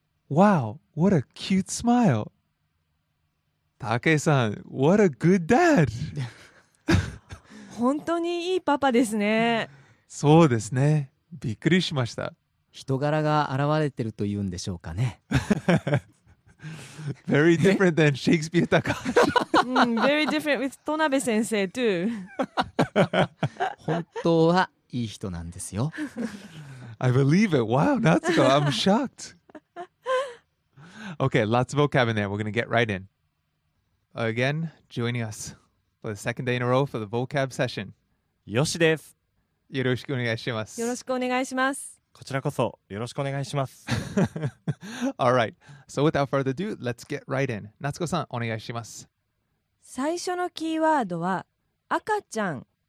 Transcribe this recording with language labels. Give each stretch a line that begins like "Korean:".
English: Wow, what a cute smile. Take-san, what a good dad.
Japanese: 本当にいいパパですね。そうですね。びっくりしました。人柄が現れてるというんでしょうかね。
English: Very different than Shakespeare Takashi. 、very different with 戸辺先生 too.
Japanese: 本当はいい人なんですよ。
English: I believe it. Wow, Natsuko, I'm shocked. Okay, lots of vocab in there. We're going to get right in. Again, joining us for the second day in a row for the vocab session.
Japanese: Yoshi desu. よろしくお願いします。よろしくお願いします。こちらこそよろしくお願いします。
English: All right. So without further ado, let's get right in.
Japanese: 夏子さん、お願いします。最初のキーワードは赤ちゃん。